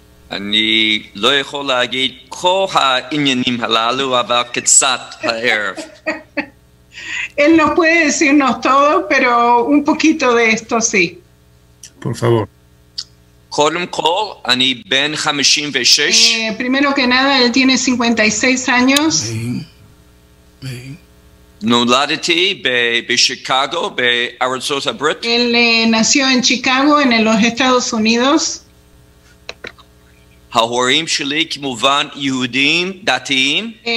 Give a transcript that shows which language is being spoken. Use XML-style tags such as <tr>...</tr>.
<he>אני לא יכול להגיד כל העניינים הללו, אבל קצת הערב.</he> <es>Él no puede decirnos todo, pero un poquito de esto sí. Por favor.</es> <he>קודם כל, אני בן 56.</he> <es>Primero que nada, él tiene 56 años.</es> <he>נולדתי בשיקגו, בארצות הברית.</he> <es>Él nació en Chicago, en los Estados Unidos.</es> <he>ההורים שלי כמובן יהודים דתיים.</he>